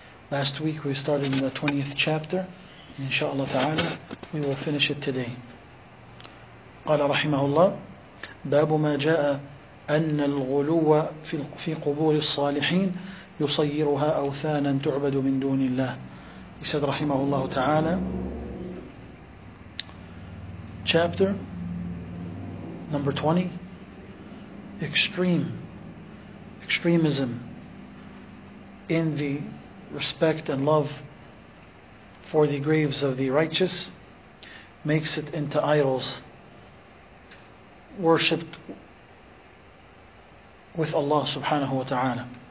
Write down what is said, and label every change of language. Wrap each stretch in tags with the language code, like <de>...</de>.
<en>Last week we started in the 20th chapter, and inshaAllah ta'ala, we will finish it today.</en> <ar>قال رحمه الله: باب ما جاء أن الغلو في قبور الصالحين يصيرها أوثانا تعبد من دون الله.</ar> <en>He said rahimahullah ta'ala, Chapter number 20, extremism in the respect and love for the graves of the righteous makes it into idols worshipped with Allah subhanahu wa ta'ala.</en>